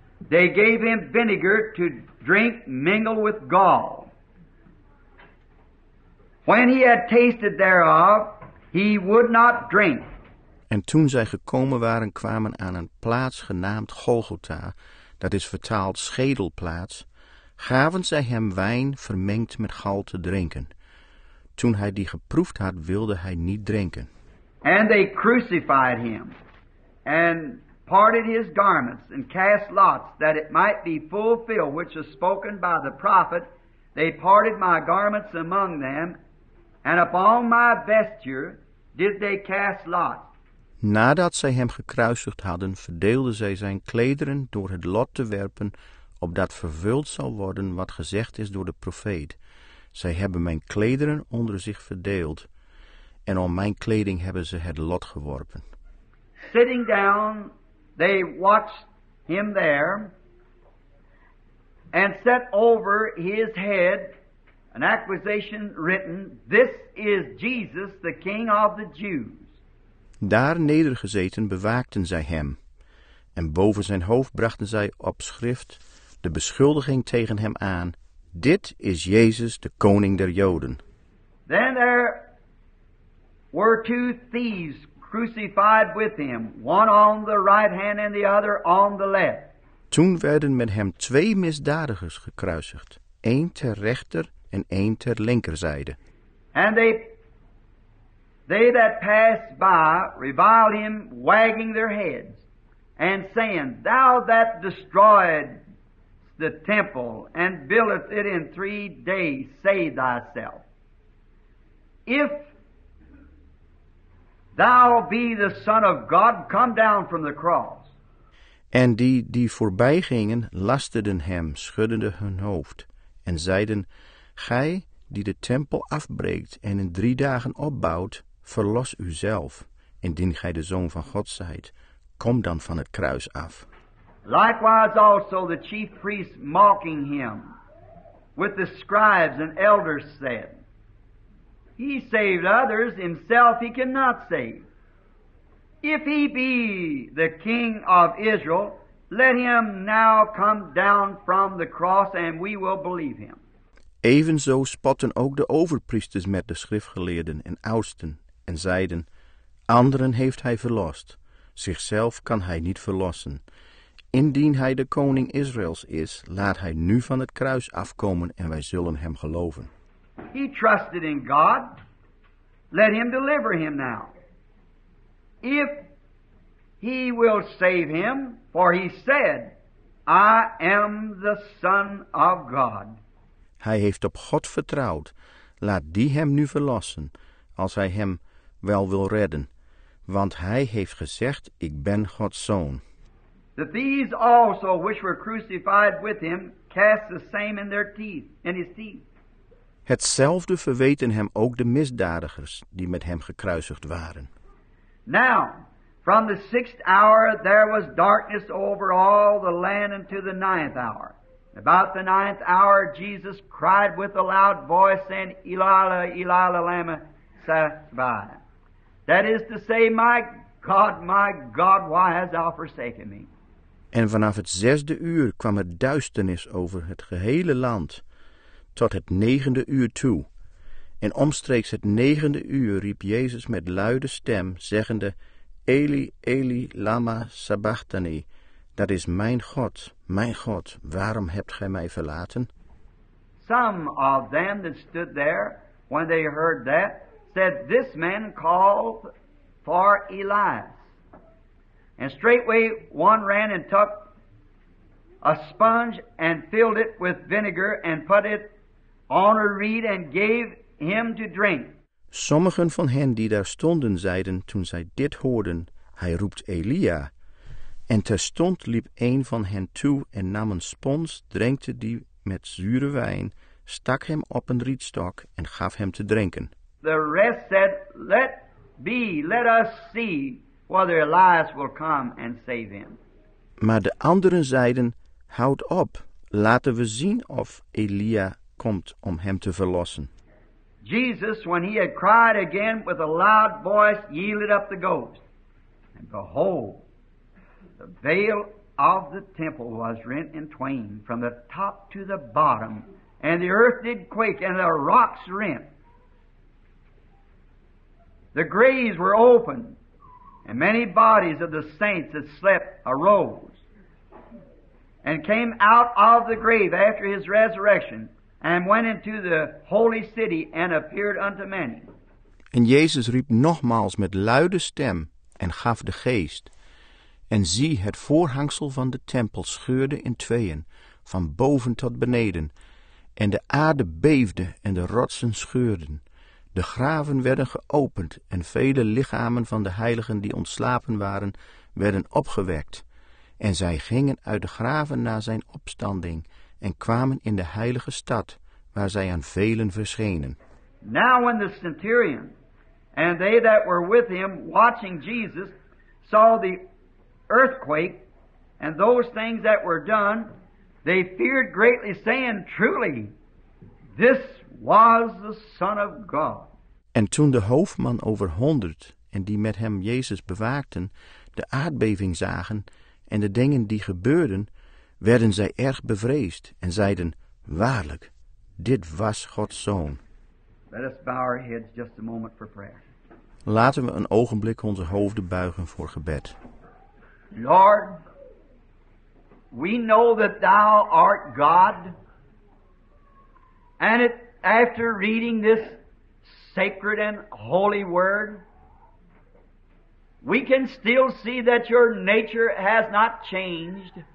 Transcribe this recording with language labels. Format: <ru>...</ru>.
<en>They gave him vinegar to drink mingled with gall. When he had tasted thereof, he would not drink.</en> <nl>En toen zij gekomen waren, kwamen aan een plaats genaamd Golgotha, dat is vertaald schedelplaats, gaven zij hem wijn vermengd met gal te drinken. Toen hij die geproefd had, wilde hij niet drinken.</nl> <en>And they crucified him, and parted his garments, and cast lots, that it might be fulfilled, which was spoken by the prophet, they parted my garments among them, and upon my vesture did they cast lots.</en> <nl>Nadat zij hem gekruisigd hadden, verdeelden zij zijn klederen door het lot te werpen, opdat vervuld zou worden wat gezegd is door de profeet. Zij hebben mijn klederen onder zich verdeeld, en om mijn kleding hebben ze het lot geworpen.</nl> <en>Sitting down, they watched him there, and set over his head an accusation written, This is Jesus, the King of the Jews.</en> <nl>Daar nedergezeten bewaakten zij hem, en boven zijn hoofd brachten zij op schrift de beschuldiging tegen hem aan, Dit is Jezus, de koning der Joden.</nl> <en>Then there were two thieves crucified with him, one on the right hand and the other on the left.</en> <nl>Toen werden met hem twee misdadigers gekruisigd, één ter rechter en één ter linkerzijde.</nl> <en>And they that passed by reviled him, wagging their heads, and saying, Thou that destroyed the temple, and buildeth it in 3 days, say thyself, If thou be the Son of God, come down from the cross.</en> <nl>En die voorbij gingen, lasterden hem, schuddende hun hoofd, en zeiden, Gij, die de tempel afbreekt en in 3 dagen opbouwt, verlos uzelf, indien gij de Zoon van God zijt, kom dan van het kruis af.</nl> <en>Likewise also the chief priests mocking him with the scribes and elders said, He saved others, himself he cannot save. If he be the king of Israel, let him now come down from the cross and we will believe him.</en> <nl>Evenzo spotten ook de overpriesters met de schriftgeleerden en oudsten en zeiden: Anderen heeft hij verlost, zichzelf kan hij niet verlossen. Indien hij de koning Israëls is, laat hij nu van het kruis afkomen en wij zullen hem geloven.</nl> <en>He trusted in God. Let him deliver him now. If he will save him, for he said, I am the Son of God.</en> <nl>Hij heeft op God vertrouwd. Laat die hem nu verlossen, als hij hem wel wil redden. Want hij heeft gezegd, ik ben Gods Zoon.</nl> <en>That these also which were crucified with him cast the same in their teeth, in his teeth.</en> <nl>Hetzelfde verweten hem ook de misdadigers die met hem gekruisigd waren.</nl> <en>Now, from the sixth hour there was darkness over all the land until the ninth hour. About the ninth hour Jesus cried with a loud voice saying,</en> <arc>Elala, Elala, lama, sabai.</arc> <en>That is to say, my God, why hast thou forsaken me?</en> <nl>En vanaf het zesde uur kwam er duisternis over het gehele land tot het negende uur toe. En omstreeks het negende uur riep Jezus met luide stem, zeggende,</nl> <arc>Eli, Eli, lama sabachthani,</arc> <nl>dat is mijn God, waarom hebt gij mij verlaten?</nl> <en>Some of them that stood there, when they heard that, said, this man called for Elias. And straightway one ran and took a sponge and filled it with vinegar and put it on a reed and gave him to drink.</en> <nl>Sommigen van hen die daar stonden zeiden toen zij dit hoorden, hij roept Elia. En terstond liep een van hen toe en nam een spons, drenkte die met zure wijn, stak hem op een rietstok en gaf hem te drinken.</nl> <en>The rest said, let be, let us see whether Elias will come and save him.</en> <nl>Maar de anderen zeiden, houd op, laten we zien of Elia komt om hem te verlossen.</nl> <en>Jesus, when he had cried again with a loud voice, yielded up the ghost. And behold, the veil of the temple was rent in twain from the top to the bottom, and the earth did quake, and the rocks rent. The graves were opened, and many bodies of the saints that slept arose and came out of the grave after his resurrection and went into the holy city and appeared unto many.</en> <nl>En Jezus riep nogmaals met luide stem en gaf de geest. En zie, het voorhangsel van de tempel scheurde in tweeën, van boven tot beneden. En de aarde beefde en de rotsen scheurden. De graven werden geopend en vele lichamen van de heiligen die ontslapen waren, werden opgewekt. En zij gingen uit de graven na zijn opstanding en kwamen in de heilige stad, waar zij aan velen verschenen.</nl> <en>Now when the centurion and they that were with him watching Jesus saw the earthquake and those things that were done, they feared greatly, saying, truly, this was the Son of God.</en> <nl>En toen de hoofdman over 100 en die met hem Jezus bewaakten de aardbeving zagen en de dingen die gebeurden, werden zij erg bevreesd en zeiden, waarlijk, dit was Gods Zoon.</nl> <en>Let us bow our heads just a moment for prayer.</en> <nl>Laten we een ogenblik onze hoofden buigen voor gebed.</nl> <en>Lord, we know that thou art God, and it, after reading this sacred and holy word, we can still see that your nature has not changed.</en>